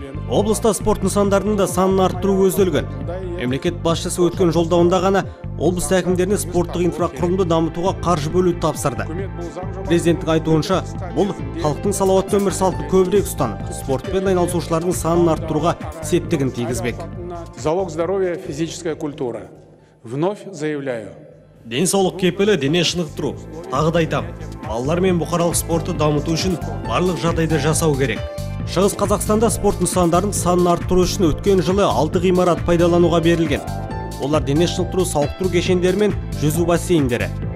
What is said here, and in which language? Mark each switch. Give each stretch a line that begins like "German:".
Kazakh: Облыста спорт нысандарының да санын арттыру көзделген. Мемлекет басшысы өткен жолдауында ғана облыс әкімдеріне спорттық инфрақұрылымды дамытуға қаржы бөлуді тапсырды. Президенттің айтуынша, бұл халықтың салауатты өмір салтын көбірек ұстанып, спортпен айналысушылардың санын арттыруға септігін тигізбек.
Russian: Залог здоровья физическая культура. Вновь заявляю.
Kazakh: Денсаулық кепілі дене шынықтыру. Тағы да айтамын, балалар мен бұқаралық спортты дамыту үшін барлық жағдайды жасау керек. Шығыс Қазақстанда спорт нысандарын санын арттыру үшін өткен жылы 6 ғимарат пайдалануға берілген. Олар дене шынықтыру, сауықтыру кешендері мен жүзу бассейндері.